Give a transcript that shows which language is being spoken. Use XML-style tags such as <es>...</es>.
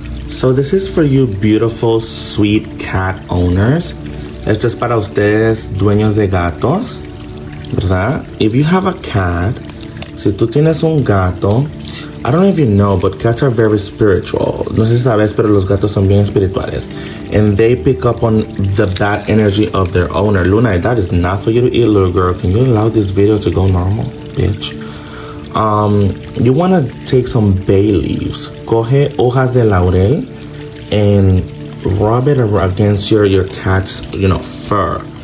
<en>So this is for you beautiful, sweet cat owners.</en> <es>Esto es para ustedes, dueños de gatos, ¿verdad?</es> <en>If you have a cat,</en> <es>si tú tienes un gato,</es> <en>I don't even know, but cats are very spiritual.</en> <es>No sé si sabes, pero los gatos son bien espirituales.</es> <en>And they pick up on the bad energy of their owner. Luna, that is not for you to eat, little girl. Can you allow this video to go normal, bitch? You want to take some bay leaves.</en> <es>Coge hojas de laurel</es> <en>and rub it against your cat's, you know, fur.</en>